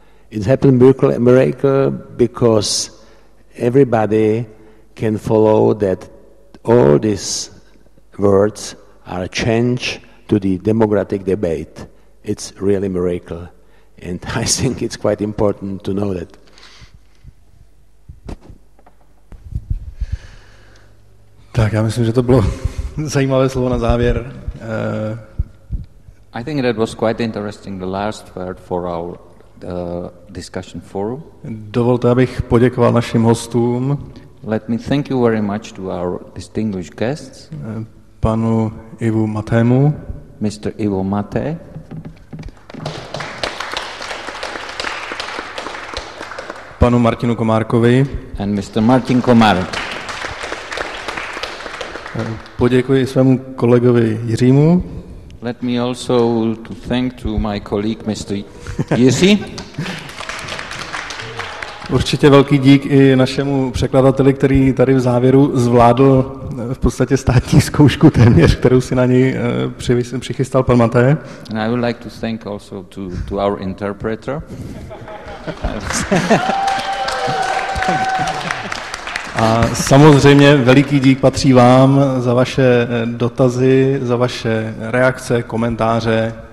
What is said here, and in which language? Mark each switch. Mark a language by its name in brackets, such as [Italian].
[English] It happens miracle because everybody can follow that all these words are changed to the democratic debate. It's really miracle. And I think it's quite important to know that. [Czech] Tak, já myslím, že to bylo zajímavé slovo na závěr. [English] I think that was quite interesting, the last word for our discussion forum. [Czech] Dovolte, abych poděkoval našim hostům. [English] Let me thank you very much to our distinguished guests. [Czech] Panu Ivu Matému. [English] Mr. Ivo Maté. [Czech] Panu Martinu Komárkovi. [English] And Mr. Martin Komárek. [Czech] Poděkuji svému kolegovi Jiřímu. [English] Let me also to thank to my colleague Mr. Jiří. [Czech] Určitě velký dík i našemu překladateli, který tady v závěru zvládl v podstatě státní zkoušku téměř, kterou si na něj přichystal pan Maté. [English] And I would like to thank also to our interpreter. [Czech] A samozřejmě veliký dík patří vám za vaše dotazy, za vaše reakce, komentáře.